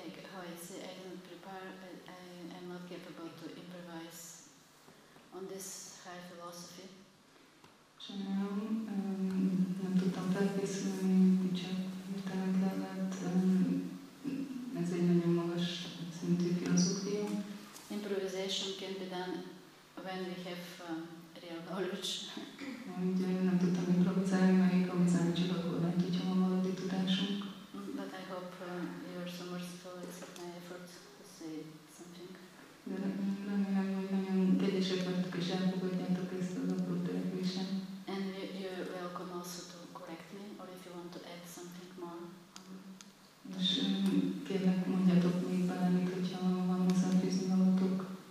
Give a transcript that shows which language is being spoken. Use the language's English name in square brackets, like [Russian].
[English] how I say, I don't prepare, I'm not capable to improvise on this high philosophy. [Hungarian] Sajnálom, nem tudtam felkészülni, úgyhogy értelek le, mert ez egy nagyon magas szintű filozófia. [English] Improvisation can be done when we have real knowledge. [Hungarian] Úgy, nem tudtam improvizálni, mert improvizálni csak akkor lehet, hogyha van valódi tudásunk. [English] But I hope you are so merciful, except my effort to say something. [Hungarian] De remélem, hogy nagyon kedvesek vagytok és elfogadjátok ezt az apró törekvésen. [English] And you're welcome also to correct me, or if you want to add something more. [Hungarian] És kérlek, mondjatok még bármit, hogyha van hozzáfűzni valótok.